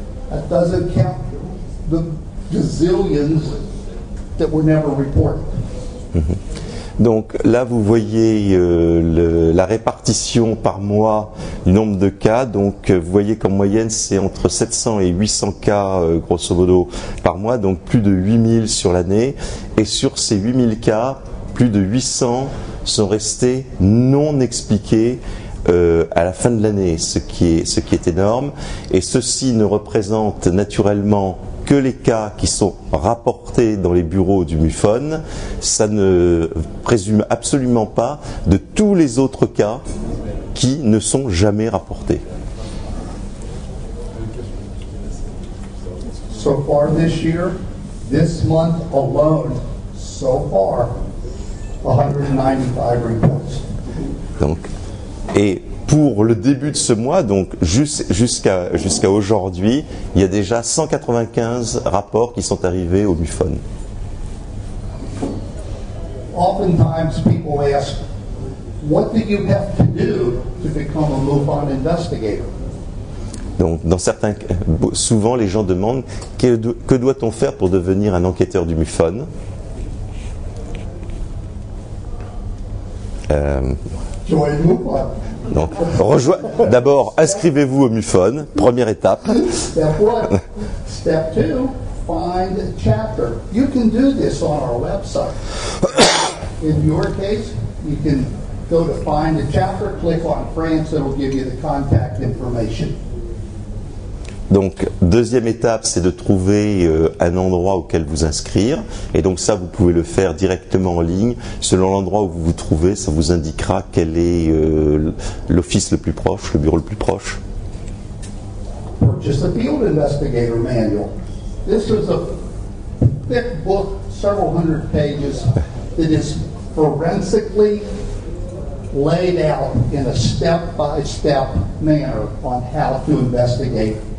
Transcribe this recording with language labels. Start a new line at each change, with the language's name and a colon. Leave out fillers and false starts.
English: That doesn't count the gazillions that were never reported. Mm-hmm.
French: Donc là, vous voyez la répartition par mois du nombre de cas. Donc vous voyez qu'en moyenne, c'est entre 700 et 800 cas, grosso modo, par mois. Donc plus de 8000 sur l'année. Et sur ces 8000 cas, plus de 800 sont restés non expliqués à la fin de l'année, ce qui est énorme. Et ceci ne représente naturellement que les cas qui sont rapportés dans les bureaux du MUFON. Ça ne présume absolument pas de tous les autres cas qui ne sont jamais rapportés.
English: So far this year, this month alone, so far, 195 reports.
French: Donc, et pour le début de ce mois, donc jusqu'à aujourd'hui, il y a déjà 195 rapports qui sont arrivés au MUFON.
English: Oftentimes people ask, what do you have to do to become a MUFON investigator?
French: Donc dans certains cas, souvent les gens demandent, que doit-on faire pour devenir un enquêteur du MUFON? Donc, d'abord, inscrivez-vous au MUFON, première étape.
English: Step one. Step two, find a chapter. You can do this on our website. In your case, you can go to find a chapter, click on France, it will give you the contact information.
French: Donc, deuxième étape, c'est de trouver un endroit auquel vous inscrire. Et donc ça, vous pouvez le faire directement en ligne. Selon l'endroit où vous vous trouvez, ça vous indiquera quel est l'office le plus proche, le bureau le plus proche.
English: Just a field investigator manual. This is a thick book, several hundred pages, that is forensically laid out in a step-by-step manner on how to investigate.